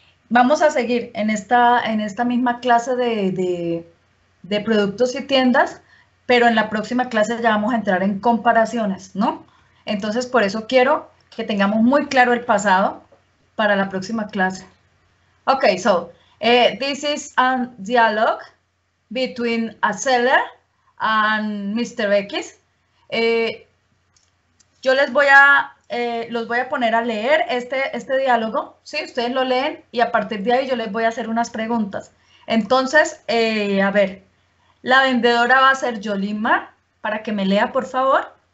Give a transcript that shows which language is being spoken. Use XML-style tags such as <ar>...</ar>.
<es>Vamos a seguir en esta misma clase de productos y tiendas, pero en la próxima clase ya vamos a entrar en comparaciones, ¿no? Entonces, por eso quiero que tengamos muy claro el pasado para la próxima clase.</es> <en>Ok, so, this is a dialogue between a seller and Mr. X.</en> <es>Yo les voy a, los voy a poner a leer este diálogo, ¿sí? Ustedes lo leen y a partir de ahí yo les voy a hacer unas preguntas. Entonces, a ver, la vendedora va a ser Yolima, para que me lea, por favor.</es>